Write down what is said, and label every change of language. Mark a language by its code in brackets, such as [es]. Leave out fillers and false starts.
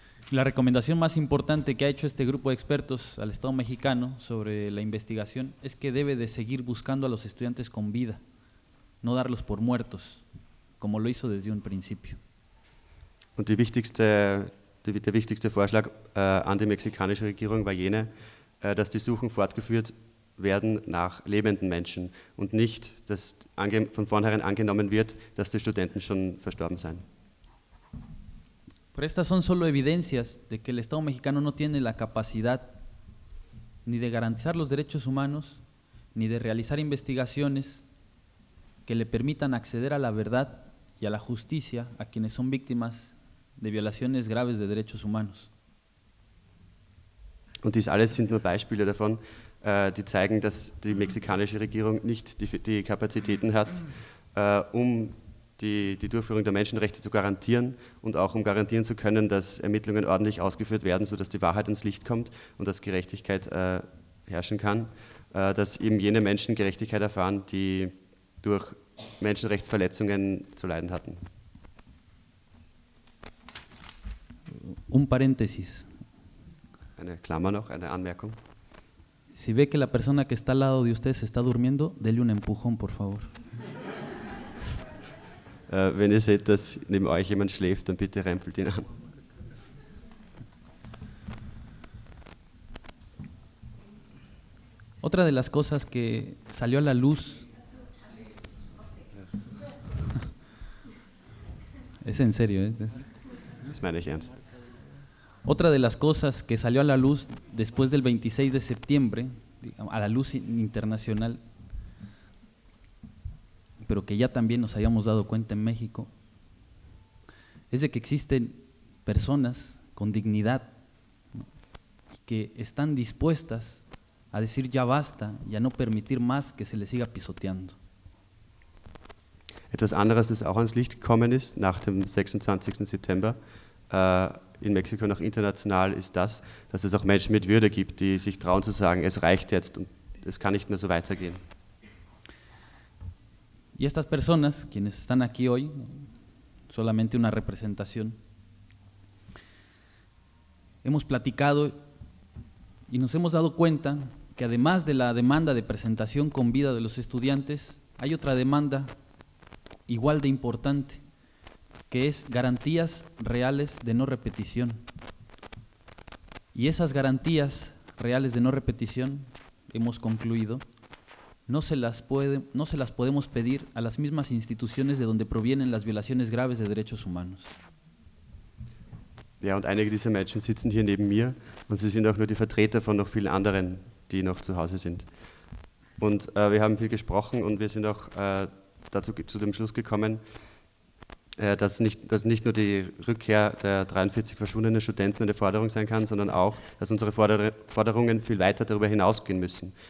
[es] La recomendación más importante que ha hecho este grupo de expertos al Estado mexicano sobre la investigación es que debe de seguir buscando a los estudiantes con vida, no darlos por muertos, como lo hizo desde un principio. [de] Und der wichtigste Vorschlag an die mexikanische Regierung war jene, dass die Suchen fortgeführt werden nach lebenden Menschen und nicht, dass von vornherein angenommen wird, dass die Studenten schon verstorben seien. [es] Pero estas son solo evidencias de que el Estado mexicano no tiene la capacidad ni de garantizar los derechos humanos, ni de realizar investigaciones que le permitan acceder a la verdad y a la justicia a quienes son víctimas de violaciones graves de derechos humanos. [de] Und dies alles sind nur Beispiele davon, die zeigen, dass die mexikanische Regierung nicht die Kapazitäten hat, um die Durchführung der Menschenrechte zu garantieren und auch um garantieren zu können, dass Ermittlungen ordentlich ausgeführt werden, sodass die Wahrheit ins Licht kommt und dass Gerechtigkeit herrschen kann, dass eben jene Menschen Gerechtigkeit erfahren, die durch Menschenrechtsverletzungen zu leiden hatten. [es] Un paréntesis. [de] Eine Klammer noch, eine Anmerkung. [es] Si ve que la persona que está al lado de usted se está durmiendo, dele un empujón, por favor. [de] Wenn ihr seht, dass neben euch jemand schläft, dann bitte rempelt ihn an. [es] Otra de las cosas que salió a la luz. Es en serio, ¿eh? [de] Das meine ich ernst. [es] Otra de las cosas que salió a la luz después del 26 de septiembre, a la luz internacional, pero que ya también nos habíamos dado cuenta en México, es de que existen personas con dignidad, ¿no?, que están dispuestas a decir ya basta y a no permitir más que se les siga pisoteando. [de] Etwas anderes, das auch ans Licht gekommen ist, nach dem 26. September, in Mexiko und auch international, ist das, dass es auch Menschen mit Würde gibt, die sich trauen zu sagen, es reicht jetzt und es kann nicht mehr so weitergehen. [es] Y estas personas, quienes están aquí hoy, solamente una representación, hemos platicado y nos hemos dado cuenta que además de la demanda de presentación con vida de los estudiantes, hay otra demanda igual de importante, que es garantías reales de no repetición. Y esas garantías reales de no repetición, hemos concluido, no se las podemos pedir a las mismas instituciones de donde provienen las violaciones graves de derechos humanos. [de] Ja, und einige dieser Menschen sitzen hier neben mir und sie sind auch nur die Vertreter von noch vielen anderen, die noch zu Hause sind. Und wir haben viel gesprochen und wir sind auch dazu zu dem Schluss gekommen, dass nicht nur die Rückkehr der 43 verschwundenen Studenten eine Forderung sein kann, sondern auch, dass unsere Forderungen viel weiter darüber hinausgehen müssen.